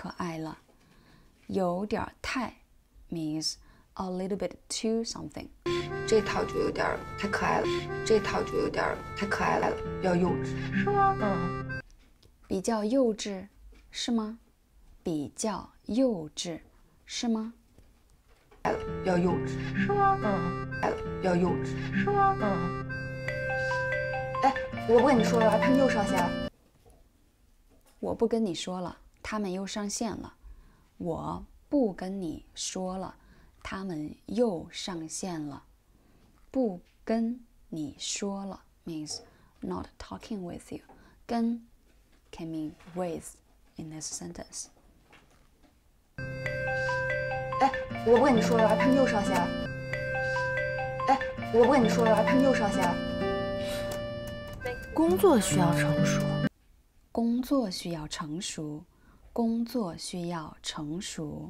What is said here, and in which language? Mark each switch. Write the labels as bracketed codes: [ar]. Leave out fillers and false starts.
[zh] 感觉这套比较成熟，比较职业一点。这套就有点太可爱了。有点太 [en] means a little bit too something. [zh] 这套就有点太可爱了。比较幼稚。是吗？比较幼稚。是吗？比较幼稚，是吗？哎，我跟你说了，他们又上线了。我不跟你说了，他们又上线了。我不跟你说了，他们又上线了。不跟。你说了 [en] means not talking with you. 跟 can mean with in this sentence. [zh] 哎，我不跟你说了，他们又上线了。哎，我不跟你说了，他们又上线了。工作需要成熟。工作需要成熟。工作需要成熟。